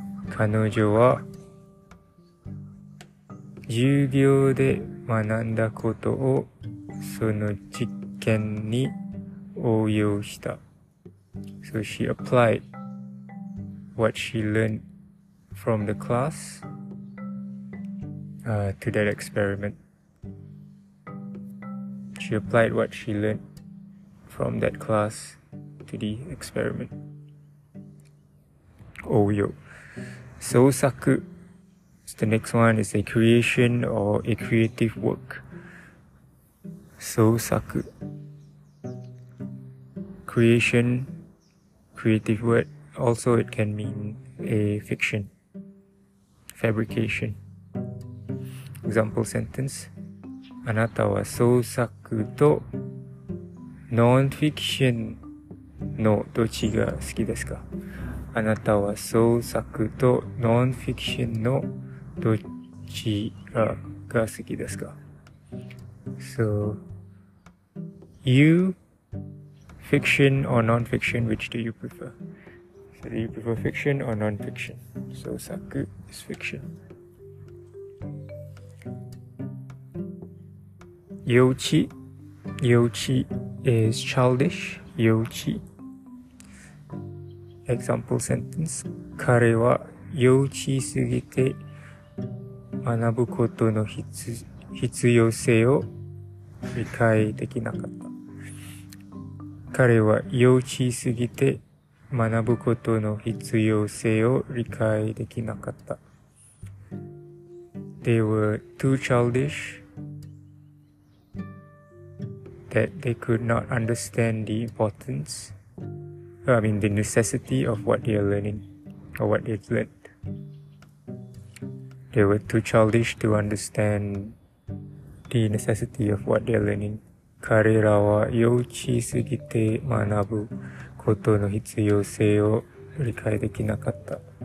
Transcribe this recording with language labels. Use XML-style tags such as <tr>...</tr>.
<ja>彼女は授業で学んだことをその実験に応用した。</ja> <en>So she applied what she learned from the class, to that experiment. She applied what she learned from that class. To the experiment. Oyo. Sousaku. So the next one is a creation or a creative work. Sousaku. Creation, creative word. Also, it can mean a fiction, fabrication. Example sentence.</en> <ja>Anata wa sousaku to non-fiction. のどっちが好きですか？あなたは創作とノンフィクションのどっちが好きですか？</ja> <en>So, you, fiction or non-fiction, which do you prefer? So, do you prefer fiction or non-fiction? 創作 is fiction. 幼稚、幼稚 is childish, 幼稚。 Example sentence.</en> <ja>彼は幼稚すぎて学ぶことの必要性を理解できなかった。彼は幼稚すぎて学ぶことの必要性を理解できなかった。</ja> <en>They were too childish that they could not understand the importance. I mean, the necessity of what they are learning, or what they've learned. They were too childish to understand the necessity of what they are learning.</en> <ja>彼らは幼稚すぎて学ぶことの必要性を理解できなかった。</ja>